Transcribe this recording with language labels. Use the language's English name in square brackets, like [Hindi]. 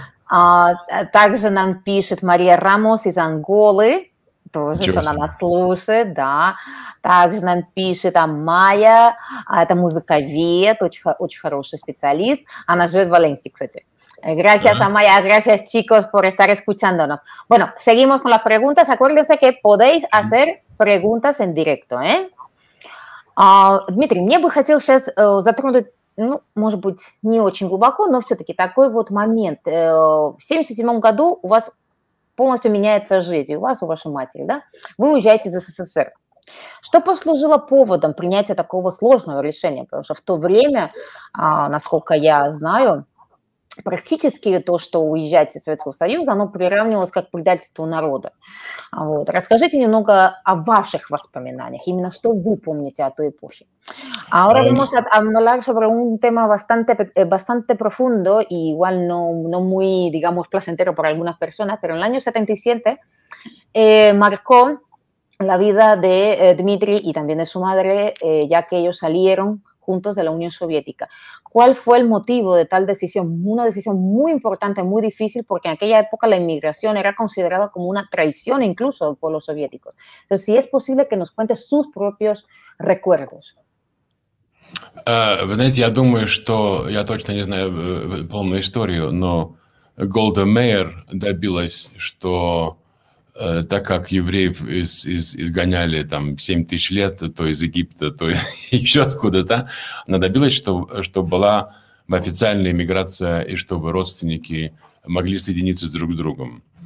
[Russian] Также нам пишет Мария Рамос из Анголы, тоже что она нас слушает, да. Также нам пишет Майя, это музыковед, очень хороший специалист, она живет в Валенсии, кстати. [Spanish] Gracias, Amaya. Gracias, chicos, por estar escuchándonos. Bueno, seguimos con las preguntas. Acuérdense que podéis hacer preguntas en directo, ¿eh? [Russian] Дмитрий, мне бы хотел сейчас затронуть, ну, может быть, не очень глубоко, но все-таки такой вот момент. В 77-м году у вас полностью меняется жизнь, у вашей матери, да? Вы уезжаете из СССР. Что послужило поводом принятия такого сложного решения? Потому что в то время, насколько я знаю, практически то, что уезжать из Советского Союза, оно приравнивалось как предательству народа. Вот. Расскажите немного о ваших воспоминаниях, именно что вы помните о той эпохе. [Spanish] Ahora vamos a hablar sobre un tema bastante profundo y igual no muy, digamos, placentero para algunas personas, pero en el año 77 marcó la vida de Dmitry y también de su madre, ya que ellos salieron juntos de la Unión Soviética. ¿Cuál fue el motivo de tal decisión? Una decisión muy importante, muy difícil, porque en aquella época la inmigración era considerada como una traición incluso por los soviéticos. Entonces, si es posible que nos cuente sus propios recuerdos. [Russian] Вы знаете, я думаю, что я точно не знаю полную историю, но Голда Мейер добилась, что так как евреев изгоняли там 7 тысяч лет, то из Египта, то еще откуда-то, она добилась, чтобы была официальная миграция и чтобы родственники могли соединиться друг с другом.